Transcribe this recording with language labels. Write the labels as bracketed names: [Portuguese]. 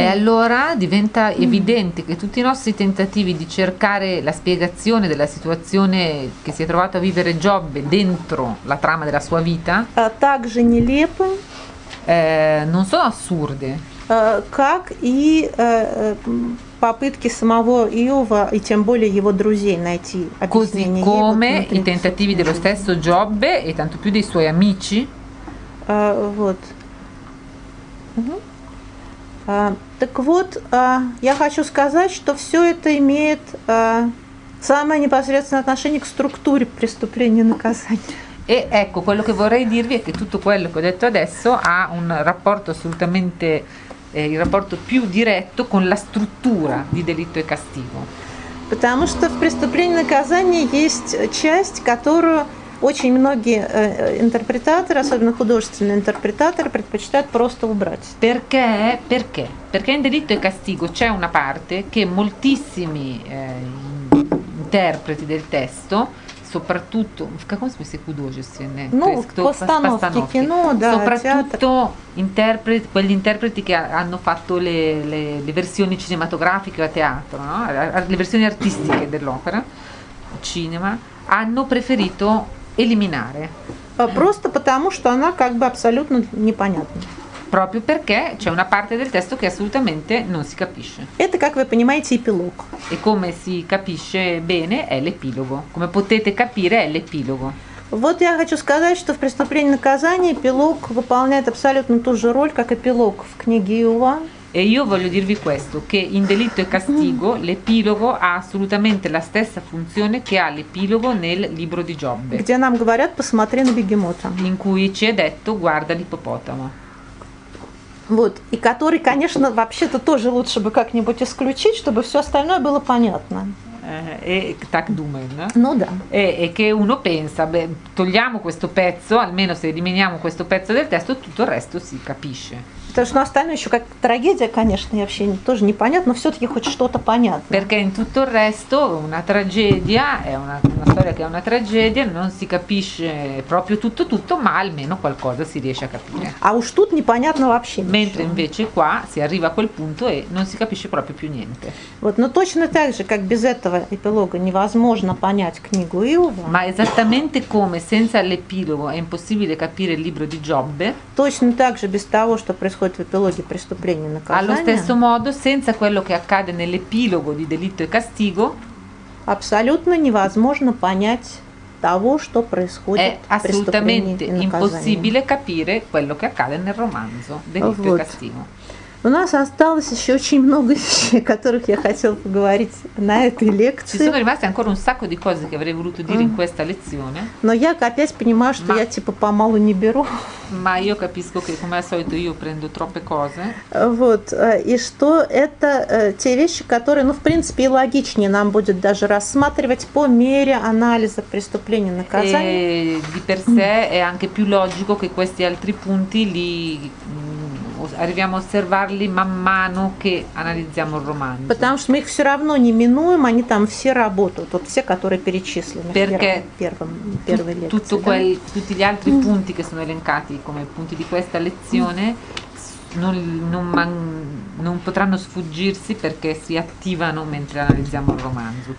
[Italian] E allora diventa evidente che tutti i nostri tentativi di cercare la spiegazione della situazione che si è trovato a vivere Giobbe dentro la trama della sua vita. [Russian] Также нелепы. [Italian] Non sono assurde. [Russian] Как и попытки самого Иова и тем более его друзей найти объяснение. [Italian] Così come i tentativi dello stesso Giobbe e tanto più dei suoi amici. [Russian] Вот. Так вот, я хочу сказать, что все это имеет Самое непосредственное отношение к структуре преступления и наказания. [Italian] E ecco, quello che vorrei dirvi è che tutto quello che ho detto adesso ha un rapporto assolutamente, il rapporto più diretto con la struttura di delitto e castigo. [Russian] Потому что в преступлении и наказании есть часть, которую очень многие интерпретаторы, особенно художественные интерпретаторы, предпочитают просто убрать. [Italian] Perché? Perché? Perché in delitto e castigo c'è una parte che moltissimi interpreti del testo soprattutto, [Russian] в каком смысле художественные? Ну, кто, постановки кино, да, [Italian] soprattutto интерпрет, quegli interpreti che hanno fatto le versioni cinematografiche a teatro, no? Le versioni artistiche dell'opera, cinema, hanno preferito eliminare. [Russian] Просто потому, что она как бы абсолютно непонятна. [Italian] Proprio perché c'è una parte del testo che assolutamente non si capisce. [Russian] Это, как вы понимаете, эпилог. [Italian] E come si capisce bene è l'epilogo. Come potete capire è l'epilogo. [Russian] Вот я хочу сказать, что в преступлении и наказании эпилог выполняет абсолютно ту же роль, как эпилог в книге Иоанн. [Italian] E io voglio dirvi questo, che in delitto e castigo l'epilogo ha assolutamente la stessa funzione che ha l'epilogo nel libro di Giobbe. [Russian] Где нам говорят, посмотри на бегемота. [Italian] In cui ci è detto, guarda l'ippopotamo. [Russian] Вот, и который, конечно, вообще-то тоже лучше бы как-нибудь исключить, чтобы все остальное было понятно. E так думаем, да? Ну да. [Italian] E che uno pensa, togliamo questo pezzo, almeno se eliminiamo questo pezzo del testo, tutto il resto si capisce. [Russian] Потому что остальное еще как трагедия, конечно, вообще тоже непонятно, но все-таки хоть что-то понятно. [Italian] Perché in tutto il resto una tragedia è una storia che è una tragedia, non si capisce proprio tutto, ma almeno qualcosa si riesce a capire. [Russian] А уж тут непонятно вообще. [Italian] Mentre invece qua si arriva a quel punto e non si capisce proprio più niente. [Russian] Вот, но точно так же, как без этого эпилога невозможно понять книгу Иова. [Italian] Ma esattamente come senza l'epilogo è impossibile capire il libro di Giobbe. [Russian] Точно так же без того, что происходит в эпилоге преступления и наказания. [Italian] Allo stesso modo, senza quello che accade nell'epilogo di delitto e castigo, [Russian] абсолютно невозможно понять того, что происходит в преступлении и наказании. [Italian] È assolutamente impossibile capire quello che accade nel romanzo delitto e castigo. [Russian] У нас осталось еще очень много вещей, о которых я хотела поговорить на этой лекции. [Italian] Ci sono rimaste ancora un sacco di cose che avrei voluto dire in questa lezione. [Russian] Но я опять понимаю, что я типа помалу не беру. [Italian] Ma io capisco che come al solito io prendo troppe cose. [Russian] Вот, и что это те вещи, которые, ну, в принципе, и логичнее нам будет даже рассматривать по мере анализа преступления и наказания. [Italian] E di per sé è anche più logico che questi altri punti li arriviamo a osservarli man mano che analizziamo il romanzo. [Russian] Потому что мы их все равно не минуем, они там все работают, вот все, которые перечислены. [Italian] Perché tutti gli altri punti che sono elencati come punti di questa lezione non potranno sfuggirsi perché si attivano mentre analizziamo il romanzo.